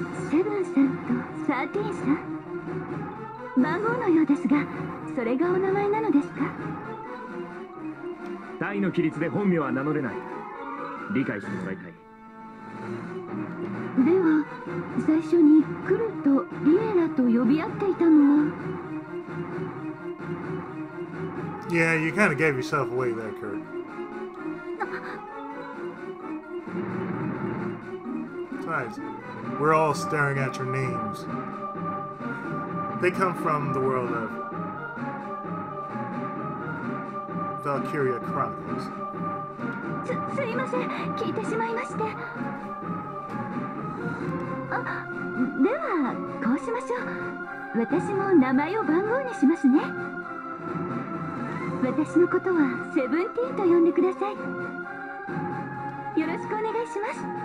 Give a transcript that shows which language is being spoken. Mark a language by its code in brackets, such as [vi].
[ja] セブンさんとサーティーンさん、番号のようですが、それがお名前なのですか？大の規律で本名は名乗れない。理解してもらいたい。では、最初にクルとリエラと呼び合っていたのは？ [en] Yeah, you kind of gave yourself away there, Kurt. Besides, we're all staring at your names. They come from the world of Valkyria Chronicles. [ja] すいません、聞いてしまいまして。では、こうしましょう。私も名前を番号にしますね。私のことはセブンティーンと呼んでください。よろしくお願いします。